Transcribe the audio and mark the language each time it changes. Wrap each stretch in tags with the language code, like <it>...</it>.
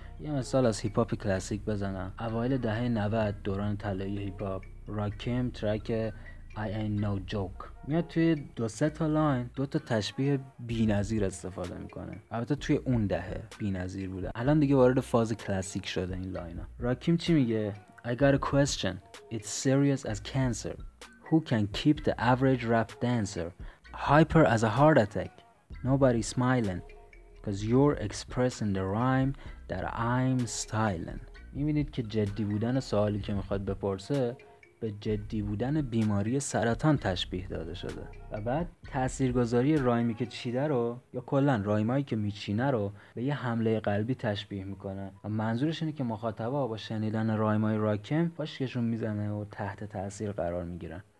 <fa>یه مثال از هیپ هاپ کلاسیک بزنم. اوایل دهه 90 دوران طلایی هیپ هاپ، راکم ترک I ain't no joke میاد توی دو سه تا لاین دو تا تشبیه بی نظیر استفاده میکنه، البته توی اون دهه بی نظیر بوده، الان دیگه وارد فاز کلاسیک شده این لاین ها. راکیم چی میگه؟</fa> <en>I got a question, it's serious as cancer, who can keep the average rap dancer hyper as a heart attack, nobody smiling cause you're expressing the rhyme that I'm styling.</en> <fa>میبینید که جدی بودن سوالی که میخواد بپرسه به جدی بودن بیماری سرطان تشبیه داده شده. و بعد تاثیرگذاری رایمی که چیده رو یا کلن رایمایی که میچینه رو به یه حمله قلبی تشبیه میکنه و منظورش اینه که مخاطبا با شنیدن رایمای راکم پاشکشون میزنه و تحت تاثیر قرار میگیرن.</fa>